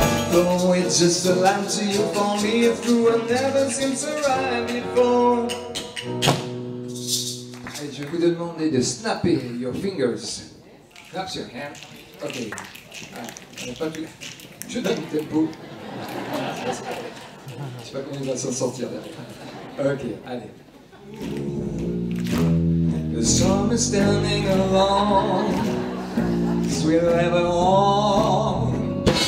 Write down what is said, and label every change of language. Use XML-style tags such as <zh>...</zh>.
<en>Though it's just a lie to you, for me it's true and never seems to rhyme before.</en> <fr>Je vous demande de snapper</fr> <en>your fingers. Clap your hand. Okay.</en> <fr>On n'a pas vu. Je donne le tempo. Je sais pas comment il va s'en sortir derrière. Okay, allez.</fr> <en>The storm is standing alone, as we live along.</en>